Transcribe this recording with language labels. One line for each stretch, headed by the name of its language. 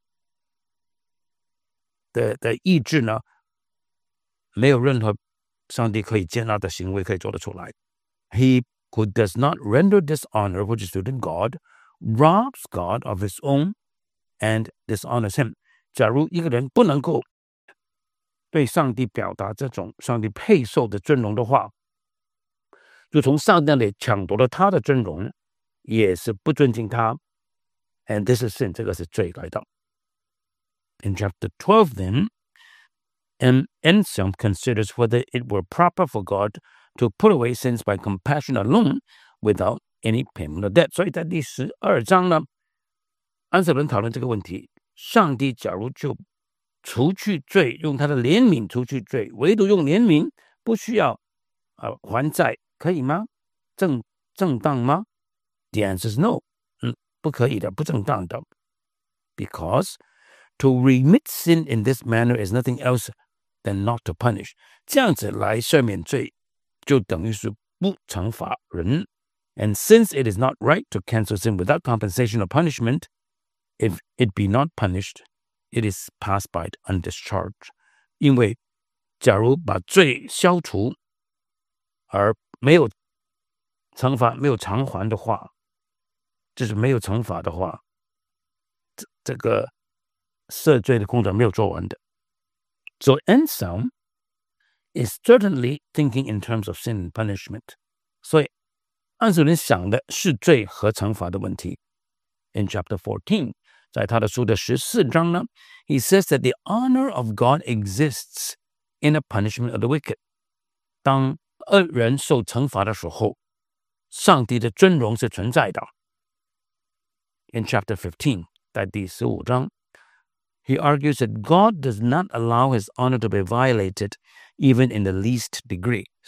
Chinese: 所以没有这种的公义正直的意志呢， 没有任何上帝可以接纳的行为可以做得出来。
English: He who does not render dishonor which is due to God robs God of his own and dishonors him.
Chinese: 假如一个人不能够对上帝表达这种上帝配受的尊荣的话， 就从上帝那里抢夺了他的尊荣，也是不尊敬他。
English: And this is sin,
Chinese: 这个是罪来的。
English: In chapter 12 then, Anselm considers whether it were proper for God to put away sins by compassion alone without any payment of debt.
Chinese: 所以在第12章呢， 安瑟伦讨论这个问题， 上帝假如就除去罪， 用他的怜悯除去罪， 唯独用怜悯， 不需要还债， 可以吗？正当吗？
English: The answer is no.
Chinese: 不可以的， 不正当的。
English: Because to remit sin in this manner is nothing else than not to punish.
Chinese: 这样子来赦免罪， 就等于是不惩罚人。
English: And since it is not right to cancel sin without compensation or punishment, if it be not punished, it is passed by undischarged.
Chinese: 因为假如把罪消除， 而没有惩罚，没有偿还的话，就是没有惩罚的话，这个赦罪的工作没有做完的。
English: So Anselm is certainly thinking in terms of sin and punishment.
Chinese: 所以安瑟伦想的是罪和惩罂的问题。
English: In chapter 14,
Chinese: 在他的书的14章呢，
English: he says that the honor of God exists in a punishment of the wicked.
Chinese: 当 恶人受惩罚的时候，上帝的尊荣是存在的。
English: In chapter 15,
Chinese: 在第15章，
English: he argues that God does not allow his honor to be violated even in the least degree.